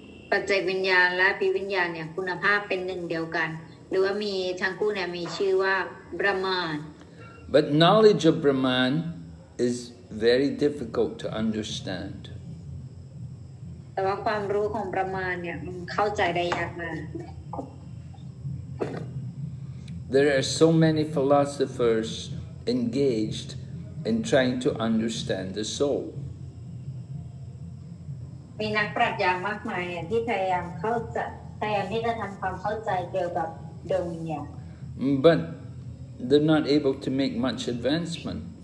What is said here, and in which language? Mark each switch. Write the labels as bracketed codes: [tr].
[th] ปัจจัยวิญญาณและอภิวิญญาณเนี่ยคุณภาพเป็นหนึ่งเดียวกันหรือว่ามีทั้งคู่เนี่ยมีชื่อว่า Brahman. [en] But knowledge of Brahman is very difficult to understand. [th] แต่ว่าความรู้ของ Brahman เนี่ยมันเข้าใจได้ยากมาก [en] There are so many philosophers engaged in trying to understand the soul. [th] มีนักปรัชญามากมายที่พยายามเข้าใจพยายามที่จะทำความเข้าใจเกี่ยวกับดวงวิญญาณ [en] But they're not able to make much advancement.